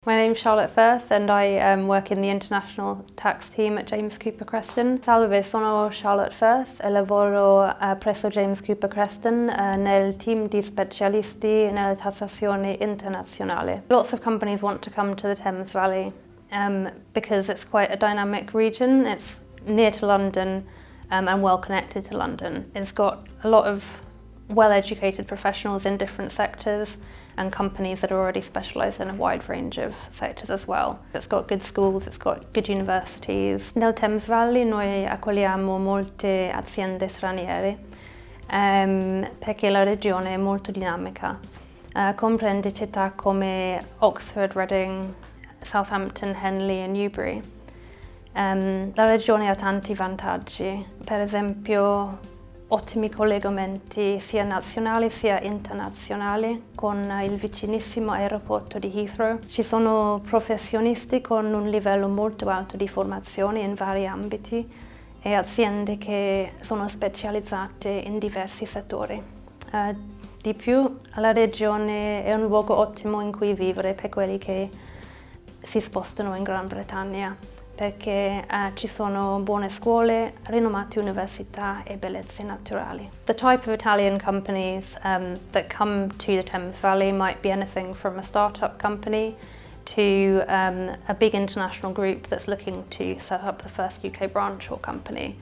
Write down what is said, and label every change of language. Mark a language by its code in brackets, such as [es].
[en] name's Charlotte Firth and I work in the international tax team at James Cooper Kreston. [it] Salve, sono Charlotte Firth e lavoro presso James Cooper Kreston nel team di specialisti nella tassazione internazionale. [en] Lots of companies want to come to the Thames Valley because it's quite a dynamic region. It's near to London and well connected to London. It's got a lot of well-educated professionals in different sectors and companies that are already specialised in a wide range of sectors as well. It's got good schools, it's got good universities. [it] Nel Thames Valley noi accogliamo molte aziende straniere perché la regione è molto dinamica. Comprende città come Oxford, Reading, Southampton, Henley e Newbury. La regione ha tanti vantaggi, per esempio ottimi collegamenti sia nazionali sia internazionali con il vicinissimo aeroporto di Heathrow. Ci sono professionisti con un livello molto alto di formazione in vari ambiti e aziende che sono specializzate in diversi settori. Di più, la regione è un luogo ottimo in cui vivere per quelli che si spostano in Gran Bretagna, perché ci sono buone scuole, rinomate università e bellezze naturali. [en] The type of Italian companies that come to the Thames Valley might be anything from a startup company to a big international group that's looking to set up the first UK branch or company.